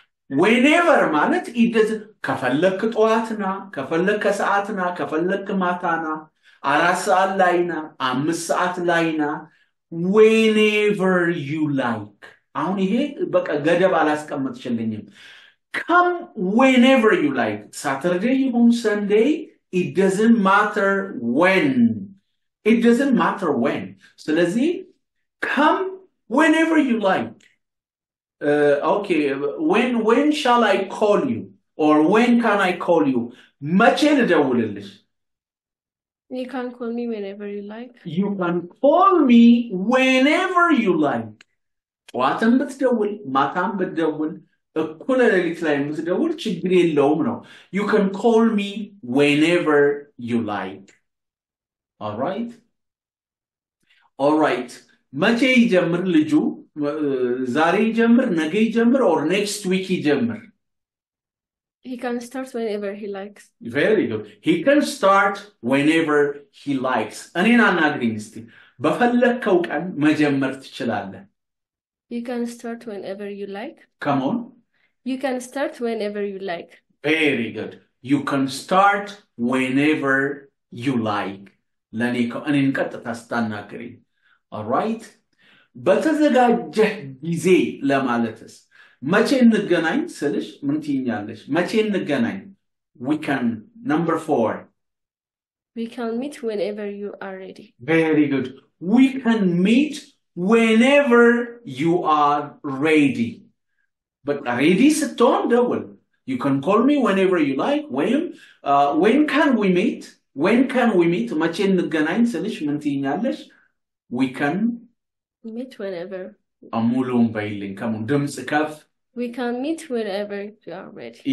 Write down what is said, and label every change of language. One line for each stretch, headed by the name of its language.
Amharic: Whenever ማለት
English: it doesn't
Amharic: ከፈለክ ጠዋትና ከፈለክ ሰዓትና ከፈለክ ማታና አራት ሰዓት ላይና አምስት ሰዓት ላይና
English: whenever you like.
Amharic: አሁን ይሄ በቃ ገደብ አላስቀምጥሽልኝም።
English: Come whenever you like. Saturday or Sunday, it doesn't matter when. It doesn't matter when. ስለዚህ come whenever you like. Okay, when shall I call you? Or when can I call you?
Amharic: መቼ ልደውልልሽ?
English: You can call me whenever you like. You can call me whenever you like.
Amharic: ጠዋትም ብትደውል ማታም ብትደውል እኩለ ሌሊት ላይ ብትደውል ችግር የለውም ነው።
English: You can call me whenever you like. All right? All right.
Amharic: መቼ ይጀምር ልጁ? ዛሬ ይጀምር? ነገ ይጀምር?
English: ኦር ኔክስት ዊክ ይጀምር? He can start whenever he likes. Very good. He can start whenever he likes.
Amharic: እኔን አናግሪኝ እስቲ። በፈለከው ቀን መጀመር ትችላለህ?
English: You can start whenever you like. Come on. You can start whenever you like. Very good. You can start whenever you like.
Amharic: ለኔ እኔን ቀጥታ ስታናግሪኝ። Alright? በተዘጋጀህ ጊዜ ለማለትስ መቼ እንገናኝ ስልሽ ምን ትይኛለሽ? መቼ እንገናኝ?
English: We can number 4. We can meet whenever you are ready. Very good. We can meet whenever you are ready. But ready
Amharic: ስትሆን ደውል.
English: You can call me whenever you like. When can we meet? When can we meet?
Amharic: መቼ እንገናኝ ስልሽ ምን ትይኛለሽ?
English: We can meet whenever.
Amharic: አሙሉን በይልኝ ከሙን ድምጽ ከፍ.
English: We can meet whenever you are ready.